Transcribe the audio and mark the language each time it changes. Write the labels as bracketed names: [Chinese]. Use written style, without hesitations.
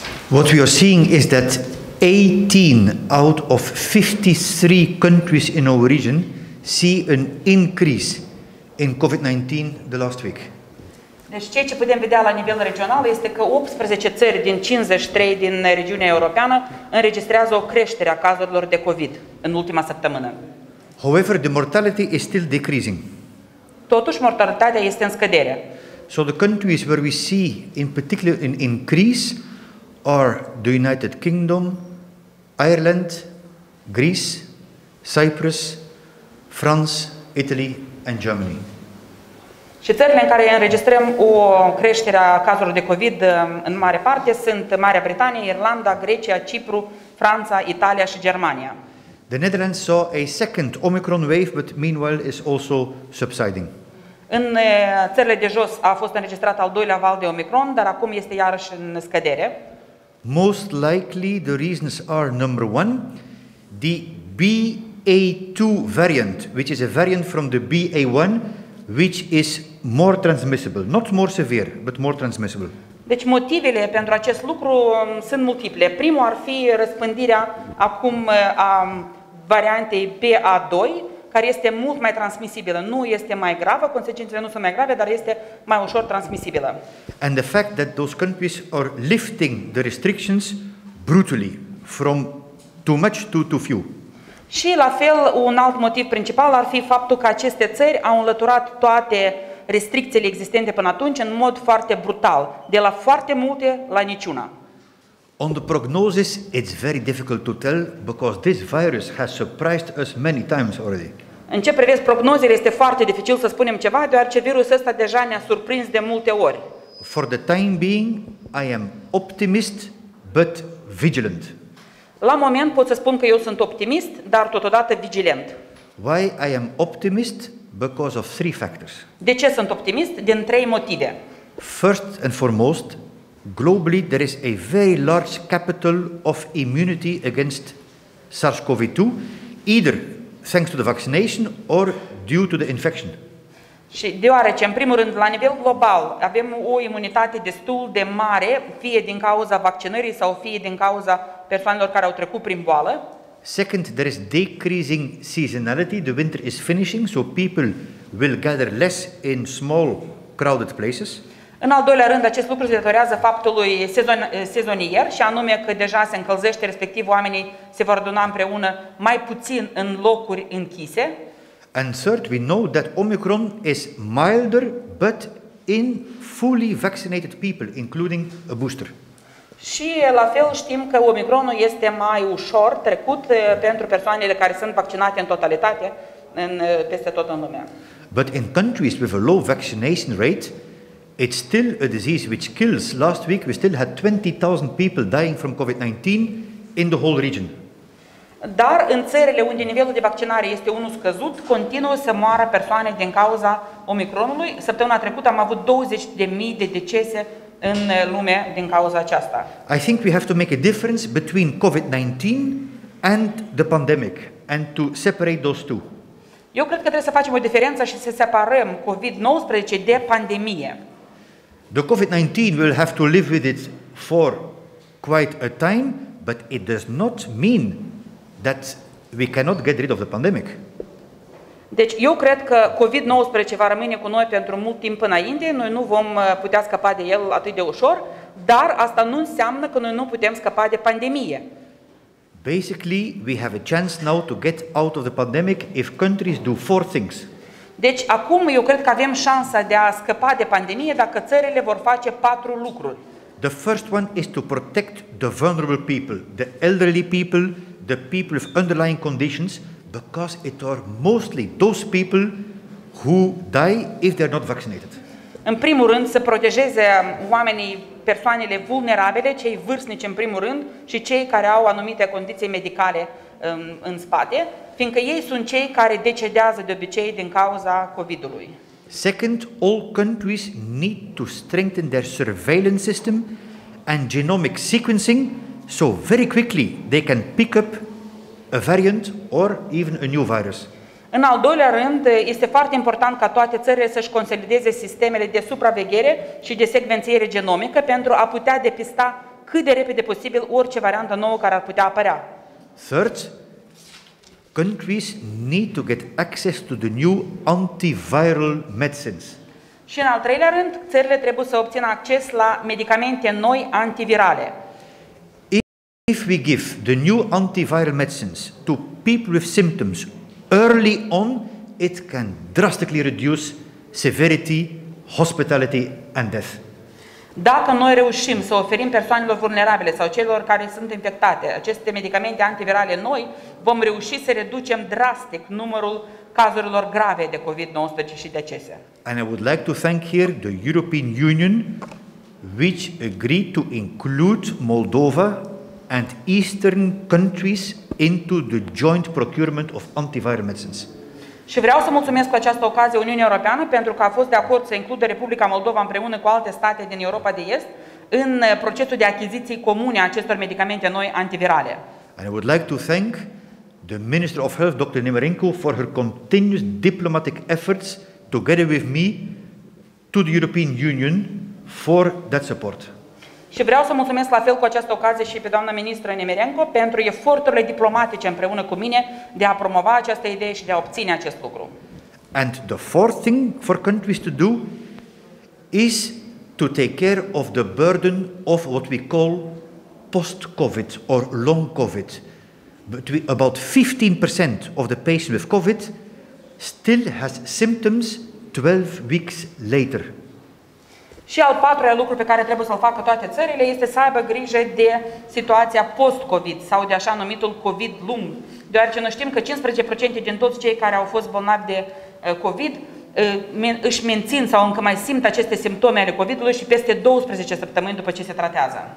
[English] What we are seeing is that 18 out of 53 countries in our region see an increase in COVID-19 the last week. [Romanian] Deci ceea ce putem vedea la nivel regional este că 18 țări din 53 din regiunea europeană înregistrează o creștere a cazurilor de COVID în ultima săptămână. [English] However, the mortality is still decreasing. [Romanian] Totuși, mortalitatea este în scădere. [English] So the countries where we see in particular an increase are the United Kingdom, Ireland, Greece, Cyprus, France, Italy and Germany. [Romanian] Și țările în care înregistrăm o creștere a cazurilor de COVID în mare parte sunt Marea Britanie, Irlanda, Grecia, Cipru, Franța, Italia și Germania. [English] The Netherlands saw a second Omicron wave, but meanwhile is also subsiding. [Romanian] În țările de jos a fost înregistrat al doilea val de Omicron, dar acum este iarăși în scădere. [English] Most likely the reasons are number one, the BA2 variant, which is a variant from the BA1, which is more transmissible, not more severe, but more transmissible. [Romanian] Deci motivele pentru acest lucru sunt multiple. Primul ar fi răspândirea acum a variantei BA2, care este mult mai transmisibilă. Nu este mai gravă, consecințele nu sunt mai grave, dar este mai ușor transmisibilă. [English] And the fact that those countries are lifting the restrictions brutally from too much to too few. [Romanian] Și la fel, un alt motiv principal ar fi faptul că aceste țări au înlăturat toate restricțiile existente până atunci în mod foarte brutal, de la foarte multe la niciuna. [English] On the prognosis, it's very difficult to tell because this virus has surprised us many times already. [Romanian] În ce privește prognozele, este foarte dificil să spunem ceva, deoarece virusul ăsta deja ne-a surprins de multe ori. [English] For the time being, I am optimist but vigilant. [Romanian] La moment pot să spun că eu sunt optimist, dar totodată vigilant. [English] Why I am optimist? Because of three factors. [Romanian] De ce sunt optimist? Din trei motive. [English] First and foremost, globally there is a very large capital of immunity against SARS-CoV-2, either thanks to the vaccination or due to the infection. [Romanian] Și deoarece, în primul rând, la nivel global, avem o imunitate destul de mare, fie din cauza vaccinării sau fie din cauza persoanelor care au trecut prin boală. [English] Second, there is decreasing seasonality. The winter is finishing, so people will gather less in small, crowded places. [Romanian] În al doilea rând, acest lucru se datorează faptului sezonier, și anume că deja se încălzește, respectiv oamenii se vor aduna împreună mai puțin în locuri închise. [English] And third, we know that Omicron is milder, but in fully vaccinated people, including a booster. [Romanian] Și la fel știm că Omicronul este mai ușor trecut pentru persoanele care sunt vaccinate în totalitate, peste tot în lume. [English] But in countries with a low vaccination rate, it's still a disease which kills. Last week we still had 20,000 people dying from COVID-19 in the whole region. [Romanian] Dar în țările unde nivelul de vaccinare este unul scăzut, continuă să moară persoane din cauza Omicronului. Săptămâna trecută am avut 20.000 de decese în lume din cauza aceasta. [English] I think we have to make a difference between COVID-19 and the pandemic and to separate those two. [Romanian] Eu cred că trebuie să facem o diferență și să separăm COVID-19 de pandemie. [English] The COVID-19 will have to live with it for quite a time, but it does not mean that we cannot get rid of the pandemic. [Romanian] Deci eu cred că COVID-19 va rămâne cu noi pentru mult timp înainte, noi nu vom putea scăpa de el atât de ușor, dar asta nu înseamnă că noi nu putem scăpa de pandemie. [English] Basically, we have a chance now to get out of the pandemic if countries do four things. [Romanian] Deci acum eu cred că avem șansa de a scăpa de pandemie dacă țările vor face patru lucruri. [English] The first one is to protect the vulnerable people, the elderly people, the people with underlying conditions, because it are mostly those people who die if they are not vaccinated. [Romanian] În primul rând, să protejeze oamenii, persoanele vulnerabile, cei vârstnici în primul rând și cei care au anumite condiții medicale în spate, fiindcă ei sunt cei care decedează de obicei din cauza COVID-ului. [English] Second, all countries need to strengthen their surveillance system and genomic sequencing so very quickly they can pick up a variant or even a new virus. [Romanian] În al doilea rând, este foarte important ca toate țările să-și consolideze sistemele de supraveghere și de secvențiere genomică pentru a putea depista cât de repede posibil orice variantă nouă care ar putea apărea. [English] Third, countries need to get access to the new antiviral medicines. [Romanian] Și în al treilea rând, țările trebuie să obțină acces la medicamente noi antivirale. [English] If we give the new antiviral medicines to people with symptoms early on, it can drastically reduce severity, hospitality and death. [Romanian] Dacă noi reușim să oferim persoanelor vulnerabile sau celor care sunt infectate aceste medicamente antivirale noi, vom reuși să reducem drastic numărul cazurilor grave de COVID-19 și decese. [English] And I would like to thank here the European Union, which agreed to include Moldova and eastern countries into the joint procurement of antiviral medicines. [Romanian] Și vreau să mulțumesc cu această ocazie Uniunii Europeană pentru că a fost de acord să includă Republica Moldova împreună cu alte state din Europa de Est în procesul de achiziții comune a acestor medicamente noi antivirale. [English] And I would like to thank the Minister of Health, Dr. Nemirenko, for her continuous diplomatic efforts together with me to the European Union for that support. [Romanian] Și vreau să mulțumesc la fel cu această ocazie și pe doamna ministră Nemirenko pentru eforturile diplomatice împreună cu mine de a promova această idee și de a obține acest lucru. [English] And the fourth thing for countries to do is to take care of the burden of what we call post-COVID or long COVID. But about 15% of the patients with COVID still has symptoms 12 weeks later. [Romanian] Și al patrulea lucru pe care trebuie să-l facă toate țările este să aibă grijă de situația post-COVID sau de așa numitul COVID lung. Deoarece noi știm că 15% din toți cei care au fost bolnavi de COVID își mențin sau încă mai simt aceste simptome ale COVID-ului și peste 12 săptămâni după ce se tratează.